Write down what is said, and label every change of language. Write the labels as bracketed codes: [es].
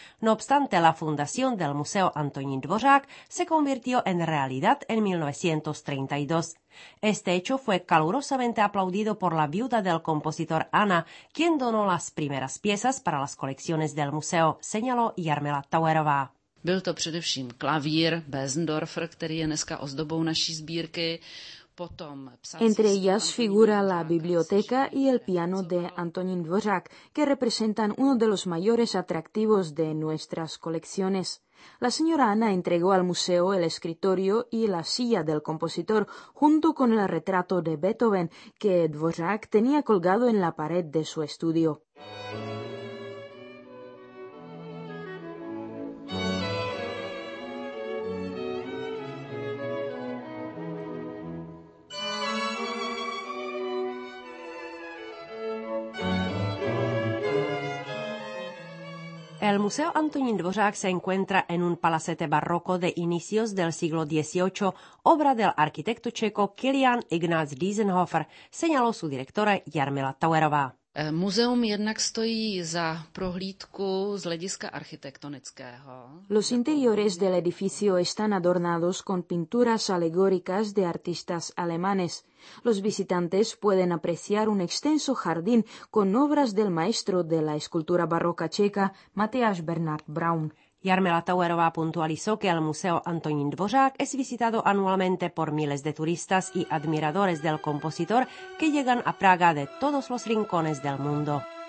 [es] No obstante, la fundación del Museo Antonín Dvořák se convirtió en realidad en 1932. Este hecho fue calurosamente aplaudido por la viuda del compositor Ana, quien donó las primeras piezas para las colecciones del museo, señaló Jarmila Tauerová. [cs] Byl to především klavír Bezendorfer, který je dneska ozdobou naší sbírky. [es] Entre ellas figura la biblioteca y el piano de Antonín Dvořák, que representan uno de los mayores atractivos de nuestras colecciones. La señora Ana entregó al museo el escritorio y la silla del compositor, junto con el retrato de Beethoven que Dvořák tenía colgado en la pared de su estudio. El Museo Antonín Dvořák se encuentra en un palacete barroco de inicios del siglo XVIII, obra del arquitecto checo Kilian Ignác Dísenhofer, señaló su directora Jarmila Tauerová. [cs] Muzeum jednak stojí za prohlídku z hlediska architektonického. [es] Los interiores del edificio están adornados con pinturas alegóricas de artistas alemanes. Los visitantes pueden apreciar un extenso jardín con obras del maestro de la escultura barroca checa, Matthias Bernhard Braun. Jarmila Tauerová puntualizó que el Museo Antonín Dvořák es visitado anualmente por miles de turistas y admiradores del compositor que llegan a Praga de todos los rincones del mundo.